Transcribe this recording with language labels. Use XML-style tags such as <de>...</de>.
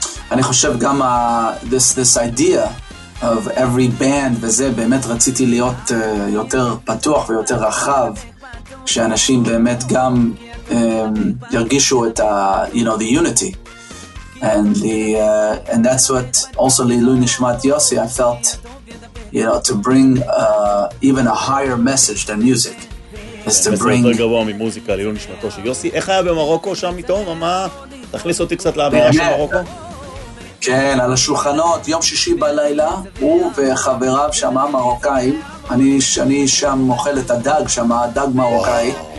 <he>אני חושב גם</he> <en>this idea of every band,</en> <he>וזה באמת רציתי להיות יותר פתוח ויותר רחב, שאנשים באמת גם ירגישו את ה,</he> <en>you know, the unity. And the and that's what also Lilu Nishmat Yossi, I felt, you know, to bring even a higher message than music.</en> <he>יותר גבוה ממוזיקה, לילון נשמתו של יוסי. איך היה במרוקו שם איתו? מה? תכניס אותי קצת לאווירה של מרוקו. כן, על השולחנות, יום שישי בלילה, הוא וחבריו שם מרוקאים, אני שם אוכל את הדג, שם הדג מרוקאי.</he>